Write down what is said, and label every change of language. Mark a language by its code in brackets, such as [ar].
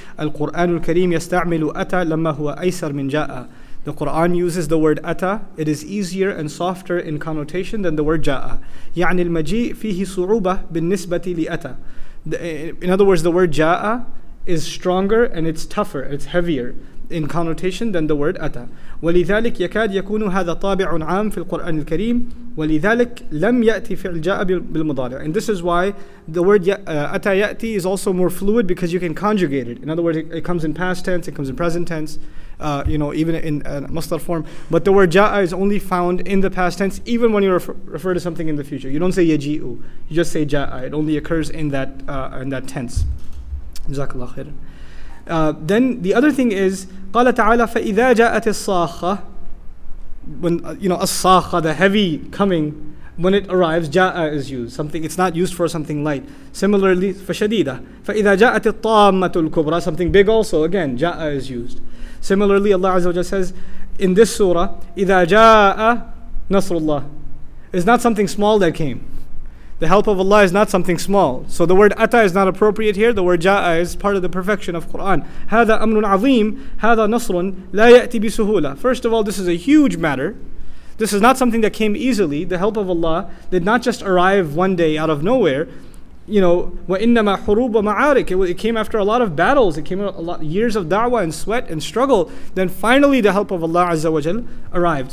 [ar] القرآن الكريم يستعمل أتى لما هو أيسر من جاء. [en] The Quran uses the word ata. It is easier and softer in connotation than the word ja'a. [ar] يعني المجيء فيه صعوبة بالنسبة لأتا. [en] In other words, the word ja'a is stronger and it's tougher, it's heavier in connotation than the word ata. [ar] ولذلك يكاد يكون هذا طابع عام في القرآن الكريم. ولذلك لم يأتي فعل جاء بالمضارع. [en] And this is why the word [ar] أتى يأتي [en] is also more fluid, because you can conjugate it. In other words, it comes in past tense, it comes in present tense, even in مصدر form. But the word جاء is only found in the past tense, even when you refer to something in the future. You don't say يجيء, you just say جاء. It only occurs in that tense. [ar] جزاك الله خير. [en] Then the other thing is [ar] قال تعالى فإذا جاءت الصاخة. [en] When as-sakha, the heavy coming, when it arrives, ja'a is used. Something, it's not used for something light. Similarly, fashadida. [ar] فَإِذَا جَاءَتِ الطَّامَّةُ الْكُبْرَى, [en] something big also, again, ja'a is used. Similarly, Allah Azza wa Jalla says in this surah, [ar] إِذَا جَاءَ نَصْرُ اللَّهِ, [en] is not something small that came. The help of Allah is not something small. So the word ata is not appropriate here. The word ja'a is part of the perfection of Quran. [ar] هذا أمر عظيم هذا نصر لا يأتي بسهولة. [en] First of all, this is a huge matter. This is not something that came easily. The help of Allah did not just arrive one day out of nowhere. You know, [ar] وَإِنَّمَا حُرُوبَ مَعَارِكَ, [en] it came after a lot of battles. It came after a lot years of da'wah and sweat and struggle. Then finally the help of Allah Azza wa Jal arrived.